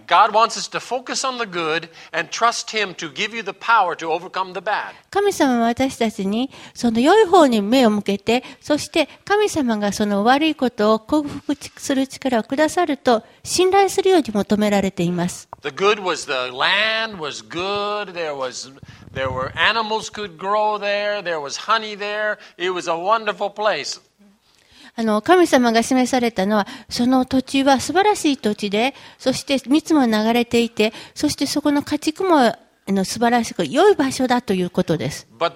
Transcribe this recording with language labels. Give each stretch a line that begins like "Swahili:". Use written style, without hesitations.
English: God wants us to focus on the good and trust Him to give you the power to overcome the bad.
Japanese: 神様は私たちにその良い方に目を向けて、そして神様がその悪いことを克服する力をくださると信頼するように求められています。
English: The good was the land was good. There were animals could grow there. There was honey there. It was a wonderful place.
Japanese: 神様が示されたのは、その土地は素晴らしい土地で、そして蜜も流れていて、そしてそこの家畜も素晴らしく良い場所だということです。